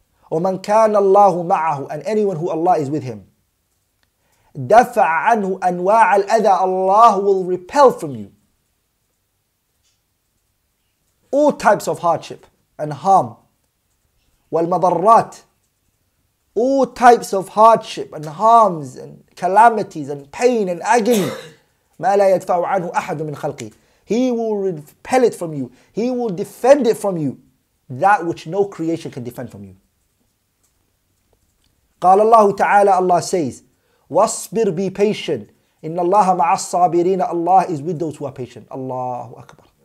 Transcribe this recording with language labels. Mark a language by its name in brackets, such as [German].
[Arabic] وَمَنْ كَانَ اللَّهُ مَعَهُ, [English] and anyone who Allah is with him. [Arabic] دَفَعَ عَنْهُ أَنْوَاعَ الْأَذَى, [English] Allah will repel from you all types of hardship and harm. [Arabic] والمضرات, [English] all types of hardship and harms and calamities and pain and agony. [Arabic] ما لا يدفع عنه أحد من خلقي. [English] He will repel it from you. He will defend it from you. That which no creation can defend from you. [Arabic] قال الله تعالى, [English] Allah says, [Arabic] واصبر, [English] be patient. [Arabic] إن الله مع الصابرين, [English] Allah is with those who are patient. [Arabic] الله أكبر.